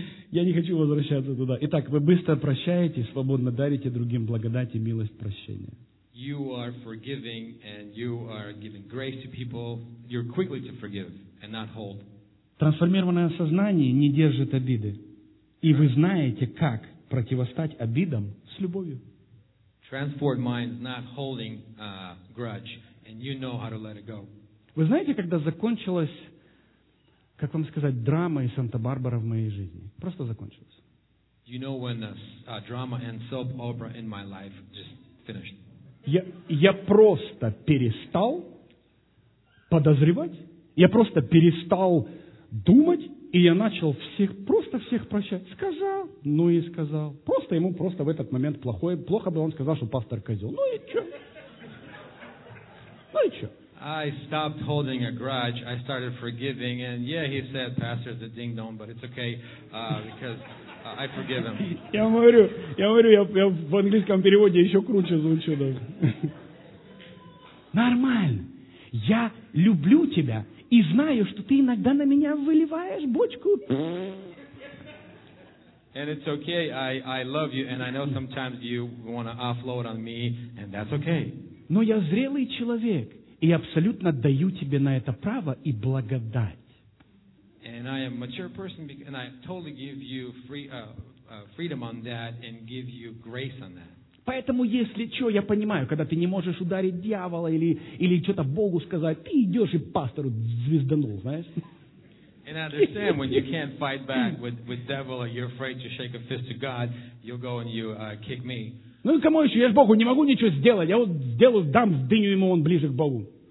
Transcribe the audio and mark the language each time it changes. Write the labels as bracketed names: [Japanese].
[Russian] Я не хочу возвращаться туда. Итак, вы быстро прощаете, свободно дарите другим благодать и милость прощения. [English] You are forgiving and you are giving grace to people. You're quickly to forgive and not hold. [Russian] Трансформированное сознание не держит обиды. И вы знаете, как противостать обидам с любовью. [English] Transformed mind is not holding a grudge, and you know how to let it go. [Russian] Вы знаете, когда закончилась, как вам сказать, драма и Санта-Барбара в моей жизни? Просто закончилась. [English] You know when the drama and soap opera in my life just finished. [Russian] Я просто перестал подозревать, я просто перестал думать, и я начал всех прощать. Сказал, ну и сказал. Просто ему просто в этот момент плохо было, он сказал, что пастор козел. Ну и что? Ну и что? [English] I stopped holding a grudge. I started forgiving. And yeah, he said, pastor's a ding-dong, but it's okay, because I forgive him. [Russian] Я говорю, я в английском переводе еще круче звучу даже. Нормально. Я люблю тебя, и знаю, что ты иногда на меня выливаешь бочку. [English] And it's okay. I love you, and I know sometimes you want to offload on me, and that's okay. [Russian] Но я зрелый человек, и абсолютно даю тебе на это право и благодать. [English] And I am a mature person, and I totally give you freedom on that, and give you grace on that. [Russian] Поэтому, если что, я понимаю, когда ты не можешь ударить дьявола или что-то Богу сказать, ты идешь и пастору звезданул, знаешь? [English] And I understand when you can't fight back with devil or you're afraid to shake a fist to God, you'll go and you kick me. [Russian] Ну и кому еще? Я же Богу не могу ничего сделать. Я вот сделаю, дам дыню ему, он ближе к Богу.